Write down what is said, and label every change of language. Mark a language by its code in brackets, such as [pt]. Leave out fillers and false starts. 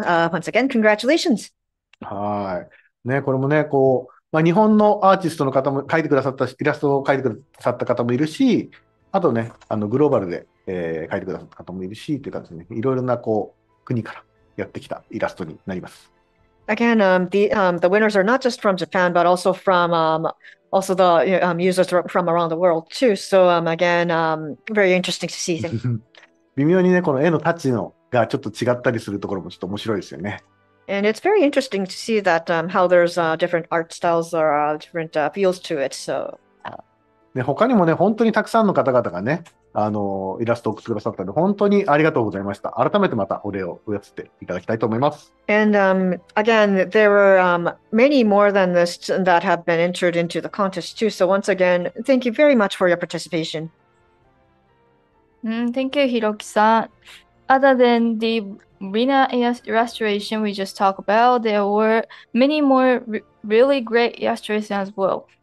[en] Once again, congratulations. [ja] はい。ね、これもね、こう、まあ、日本のアーティストの方も描いてくださったイラストを描いてくださった方もいるし、あとね、グローバルで、描いてくださった方もいるし、という感じでね、いろいろなこう国からやってきたイラストになります。 [en] Again, the winners are not just from Japan, but also from also the users from around the world too. So again, very interesting to see. [ja] 微妙にね、この絵のタッチのがちょっと違ったりするところもちょっと面白いですよね。 [en] And it's very interesting to see that how there's different art styles or different feels to it. So、 [ja] ね、他にもね、本当にたくさんの方々がね、イラストを送ってくださったので、本当にありがとうございました。改めてまたお礼を言わせていただきたいと思います。 [en] And again, there were many more than this that have been entered into the contest too. So once again, thank you very much for your participation. Thank you, Hiroki-san. Other than the winner illustration we just talked about, there were many more really great illustrations as well.